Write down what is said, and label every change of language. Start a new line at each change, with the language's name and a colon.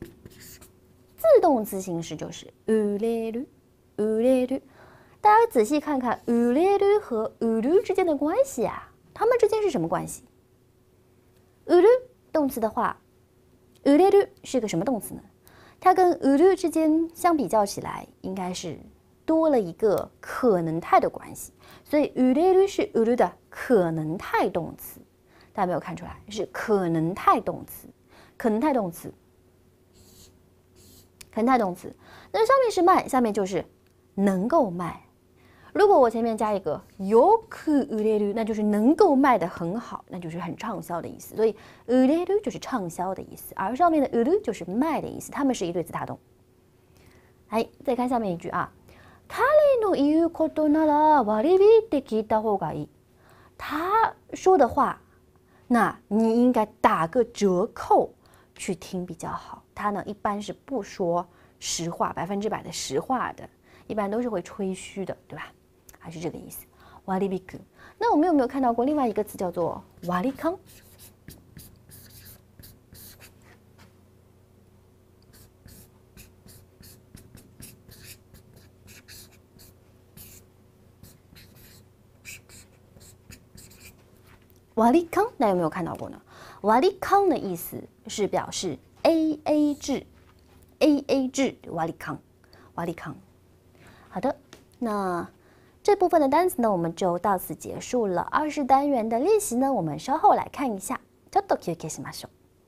Chinese: 自动词形式就是売れる，売れる。大家仔细看看売れる和売る之间的关系啊，他们之间是什么关系？売る动词的话，売れる是个什么动词呢？它跟売る之间相比较起来，应该是多了一个可能态的关系。所以売れる是売る的可能态动词，大家没有看出来，是可能态动词，可能态动词。可能态动词，那上面是卖，下面就是能够卖。如果我前面加一个よく売れる，那就是能够卖得很好，那就是很畅销的意思。所以売れる就是畅销的意思，而上面的売る就是卖的意思，他们是一对子大动。
Japanese: 哎，再看下面一句啊，彼の言うことなら割り引いて聞いた方がいい。
Chinese: 他说的话，那你应该打个折扣去听比较好。他呢一般是不说实话，百分之百的实话的，一般都是会吹嘘的，对吧？还是这个意思。割り引く。那我们有没有看到过另外一个词叫做割り勘？割り勘，那有没有看到过呢？割り勘的意思是表示AA 制， AA 制，瓦利康，瓦利康。好的，那这部分的单词呢，我们就到此结束了。二十单元的练习呢，我们稍后来看一下。
Japanese: ちょっと休憩しましょう。